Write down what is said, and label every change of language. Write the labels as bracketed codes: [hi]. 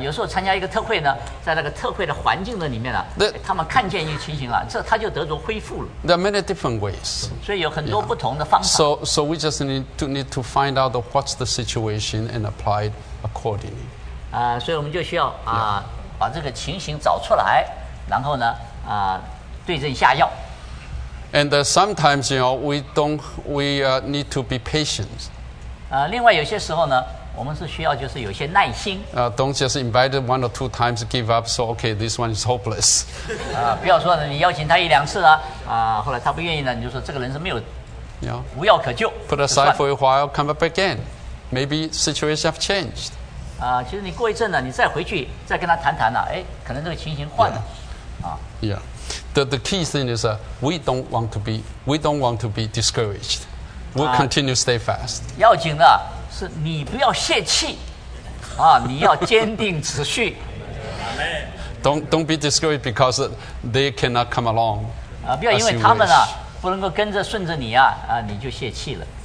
[zh] 有时候参加一个特会呢，在那个特会的环境的里面他们看见一个情形这他就得着恢复了。 [en] There are many different ways. [zh] 所以有很多不同的方法。 [en] So we just need to find out what's the situation and apply it accordingly. [zh] 所以我们就需要把这个情形找出来，然后呢对症下药。 [en] And sometimes need to be patient. [zh] 另外有些时候呢，我们是需要就是有些耐心。 [en] Don't just invite one or two times, give up. So okay, this one is hopeless. [zh] 不要说呢，你邀请他一两次后来他不愿意呢，你就说这个人是没有， yeah. 无药可救。 [en] Put aside for a while, come up again. Maybe situation have changed. [zh] 其实你过一阵呢，你再回去再跟他谈谈可能这个情形换了。 [en] The key thing is we don't want to be discouraged. We'll continue to stay fast. [zh] 要紧的是你不要泄气你要坚定持续。 [en] Don't be discouraged because they cannot come along. [zh] 不要因为他们不能够跟着顺着你你就泄气了。